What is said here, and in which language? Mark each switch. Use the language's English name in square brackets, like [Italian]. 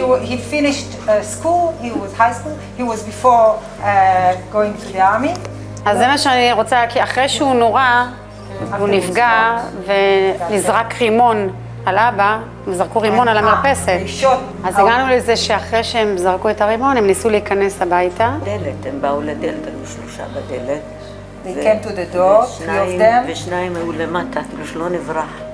[English] He finished school, he was high school, he was before going to the army. [Hebrew] אז זה מה שאני רוצה, כי אחרי שהוא נורא, הוא נפגע ונזרק רימון על אבא, הם זרקו רימון על המרפסת. אז הגענו לזה שאחרי שהם זרקו את הרימון, הם ניסו להיכנס הביתה. דלת, הם באו לדלת, היו 3 בדלת. [English] They came to the door, three of them. [Hebrew] ושניים היו למטה, כאילו שלא נברח.